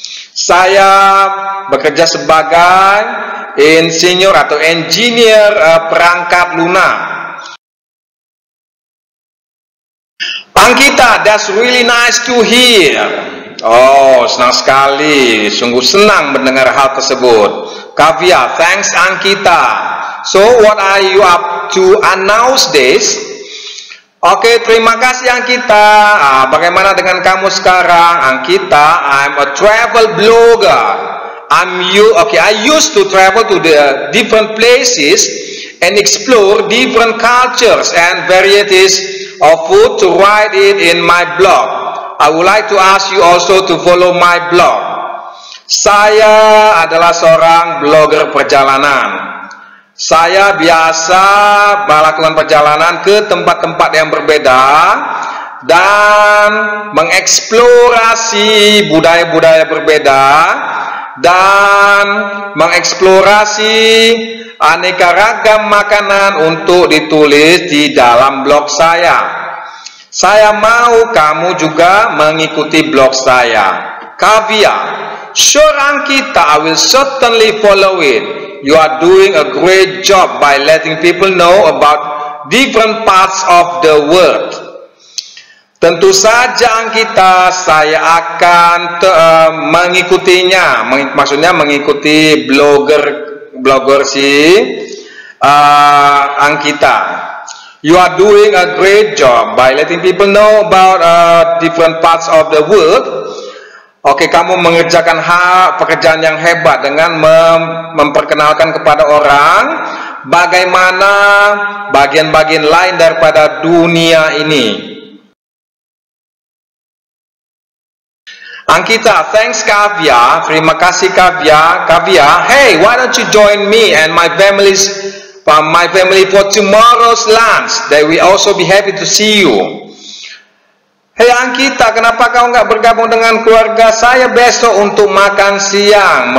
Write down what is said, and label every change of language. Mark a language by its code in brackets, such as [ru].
[id] Saya bekerja sebagai insinyur atau engineer perangkat lunak. [en] Ankita, that's really nice to hear. [id] Oh, senang sekali. Sungguh senang mendengar hal tersebut. [en] Kavya, thanks Ankita. So, what are you up to announce this? [id] Oke, terima kasih Ankita. Bagaimana dengan kamu sekarang? [en] Ankita, I'm a travel blogger. I used to travel to the different places and explore different cultures and varieties of food to write it in my blog. I would like to ask you also to follow my blog. [id] Saya adalah seorang blogger perjalanan. Saya biasa melakukan perjalanan ke tempat-tempat yang berbeda dan mengeksplorasi budaya-budaya berbeda dan mengeksplorasi aneka ragam makanan untuk ditulis di dalam blog saya. Saya mau kamu juga mengikuti blog saya. [en] Kavia, [id] seorang kita, [en] I will certainly follow it. You are doing a great job by letting people know about different parts of the world. [id] Tentu saja Angkita, saya akan mengikutinya, maksudnya mengikuti blogger si Angkita. [en] You are doing a great job by letting people know about different parts of the world. [id] Oke, kamu mengerjakan pekerjaan yang hebat dengan memperkenalkan kepada orang bagaimana bagian-bagian lain daripada dunia ini. [en] Angkita, thanks Kavya. [id] Terima kasih [en] Kavya. Kavya, hey, why don't you join me and my family for tomorrow's lunch? They will also be happy to see you. [id] Hey Angkita, kenapa kau enggak bergabung dengan keluarga saya besok untuk makan siang?